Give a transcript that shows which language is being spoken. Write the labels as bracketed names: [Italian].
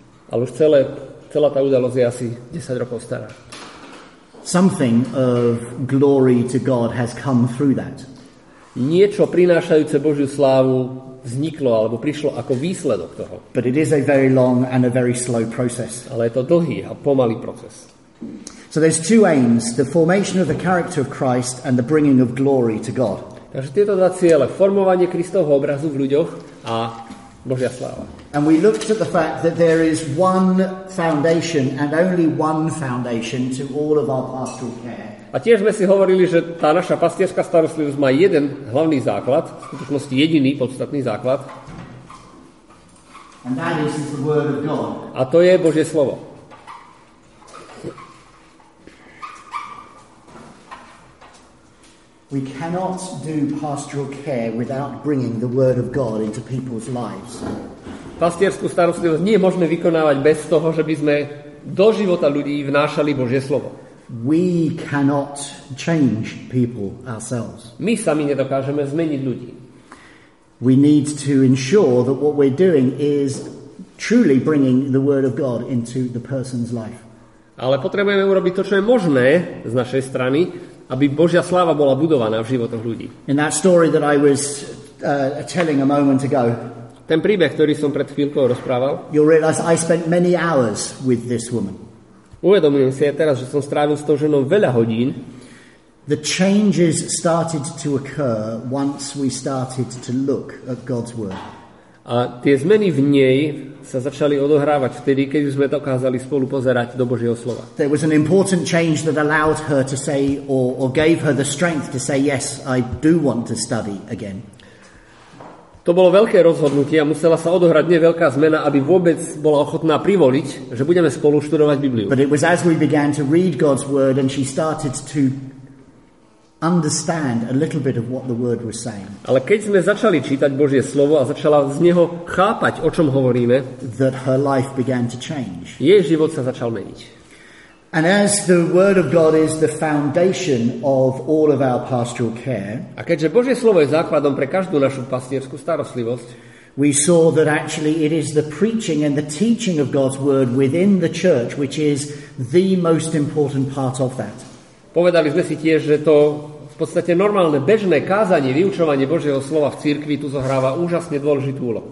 [Slovak] Ale už celá tá udalosť je asi 10 rokov stará. [English] Something of glory to God has come through that. [Slovak] Niečo prinášajúce Božiu slávu vzniklo alebo prišlo ako výsledok toho. [English] But it is a very long and a very slow process. [Slovak] Ale je to dlhý a pomalý proces. [English] So there's two aims: the formation of the character of Christ and the bringing of glory to God. [Slovak] Takže tieto dva ciele, formovanie Kristovho obrazu v ľuďoch a Božia sláva. [English] And we looked at the fact that there is one foundation and only one foundation to all of our pastoral care. [Slovak] A tiež sme si hovorili, že tá naša pastierska starostlivosť má jeden hlavný základ, v skutočnosti jediný podstatný základ. [English] And that is the word of God. [Slovak] A to je Božie slovo. [English] We cannot do pastoral care without bringing the word of God into people's lives. [Slovak] Pastierskú starostlivosť nie je možné vykonávať bez toho, že by sme do života ľudí vnášali Božie slovo. [English] We cannot change people ourselves. [Slovak] My sami nedokážeme zmeniť ľudí. [English] We need to ensure that what we're doing is truly bringing the word of God into the person's life. [Slovak] Ale potrebujeme urobiť to, čo je možné z našej strany, aby Božia sláva bola budovaná v životoch ľudí. [English] In that story that I was telling a moment ago. [Slovak] Ten príbeh, ktorý som pred chvíľkou rozprával. [English] You realize I spent many hours with this woman. [Slovak] Uvedomujem si aj teraz, že som strávil s tou ženou veľa hodín. [English] The changes started to occur once we started to look at God's word. [Slovak] A tie zmeny v nej sa začali odohrávať vtedy, keď sme dokázali spolu pozerať do Božieho slova. [English] There was an important change that allowed her to say or gave her the strength to say yes, I do want to study again. [Slovak] To bolo veľké rozhodnutie a musela sa odohrať neveľká zmena, aby vôbec bola ochotná privoliť, že budeme spolu študovať Bibliu. [English] But it was as we began to read God's word and she started to understand a little bit of what the word was saying. [Slovak] Ale keď sme začali čítať Božie slovo a začala z neho chápať, o čom hovoríme, [English] that her life began to change. [Slovak] Jej život sa začal meniť. [English] And as the word of God is the foundation of all of our pastoral care. [Slovak] A keďže Božie slovo je základom pre každú našu pastierskú starostlivosť, [English] we saw that actually it is the preaching and the teaching of God's word within the church which is the most important part of that. [Slovak] Povedali sme si tiež, že to v podstate normálne bežné kázanie, vyučovanie Božieho slova v cirkvi tu zohráva úžasne dôležitú úlohu.